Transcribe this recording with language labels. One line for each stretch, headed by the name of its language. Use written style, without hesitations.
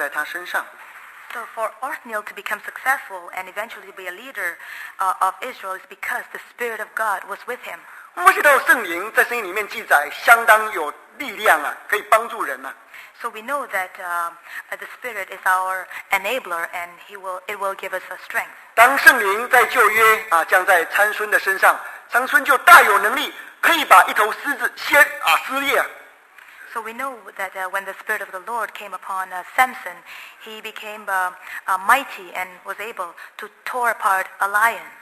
Chinese: 神的灵降在厄陀涅身上，他就做了以色列的士师。厄陀涅可以在属灵的生活上面能够成功，作为以色列领导者，最主要的原因还是神的灵降在他身上。
English: So for Othniel to become successful and eventually be a leader of Israel is because the Spirit of God was with him.
Chinese: 摩西的圣灵在圣经里面记载相当有力量啊，可以帮助人呐。
English: So we know that the Spirit is our enabler, and it will give us a strength.
Chinese: 当圣灵在旧约降在参孙的身上，参孙就大有能力可以把一头狮子撕裂。
English: So we know that when the Spirit of the Lord came upon Samson, he became mighty and was able to tore apart a lion.